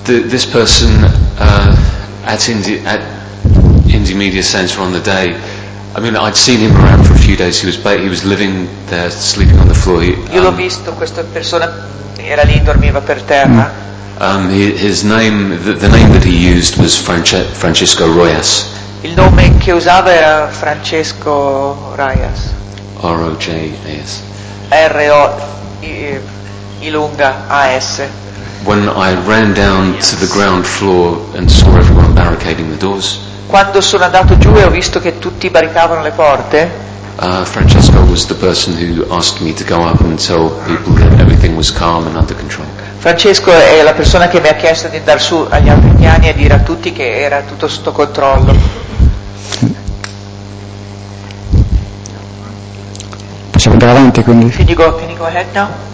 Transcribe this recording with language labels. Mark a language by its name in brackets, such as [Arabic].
[English] This person at Indymedia Centre on the day. I mean, I'd seen him around for a few days. He was living there, sleeping on the floor. [Italian] Io l'ho visto, questa persona era lì, dormiva per terra. [English] His name, the name that he used was Francesco Royas. [Italian] Il nome che usava era Francesco Royas. R-O-J-A-S. R-O-I-L-U-N-G-A-S. [English] When I ran down to the ground floor and saw everyone barricading the doors. [Italian] Quando sono andato giù e ho visto che tutti barricavano le porte. [English] Francesco was the person who asked me to go up and tell people that everything was calm and under control. [Italian] Francesco è la persona che mi ha chiesto di andare su agli altri piani e dire a tutti che era tutto sotto controllo. Possiamo andare avanti quindi? [English] Can you go ahead now?